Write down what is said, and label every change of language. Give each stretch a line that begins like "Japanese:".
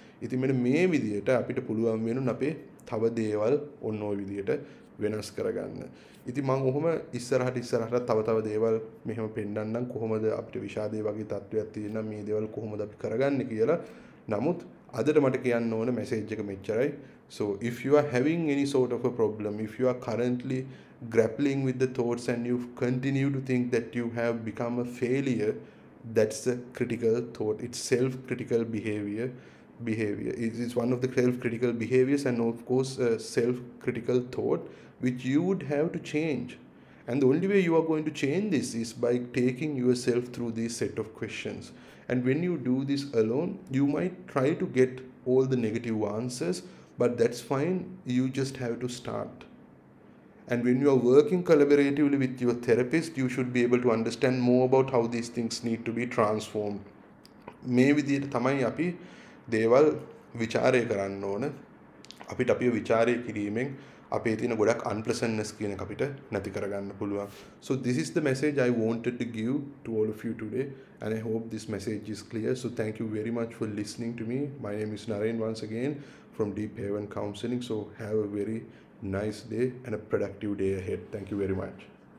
Sinhala: ඉතින් මෙන්න මේ විදිහට අපිට පුළුවන් වෙනුන අපේ තව දේවල් ඔන්න ඔය විදිහට වෙනස් කරගන්න. ඉතින් මම ඔහොම ඉස්සරහට තව තව දේවල් මෙහෙම පෙන්නන්නම් කොහොමද අපිට විෂාදයේ වගේ තත්ත්වයක් තියෙනවා මේ දේවල් කොහොමද අපි කරගන්නේ කියලා. නමුත් අදට මට කියන්න ඕන මැසේජ් එක මෙච්චරයි.
English: So if you are having any sort of a problem, if you are currently grappling with the thoughts and you continue to think that you have become a failure, that's a critical thought. It's self-critical behavior. It's one of the self-critical behaviors and of course a self-critical thought which you would have to change. And the only way you are going to change this is by taking yourself through this set of questions. And when you do this alone, you might try to get all the negative answers. But that's fine, you just have to start. And when you are working collaboratively with your therapist, you should be able to understand more about how these things need to be transformed.
Sinhala: මේ විදිහට තමයි අපි දේවල් විචාරය කරන්න ඕන. අපිට අපි විචාරය කිරීමෙන් අපේ තියෙන ගොඩක් unpleasantness කියන එක අපිට නැති කරගන්න පුළුවන්.
English: So this is the message I wanted to give to all of you today. And I hope this message is clear. So thank you very much for listening to me. My name is Naren once again. From Deep Haven Counseling. So have a very nice day and a productive day ahead. Thank you very much.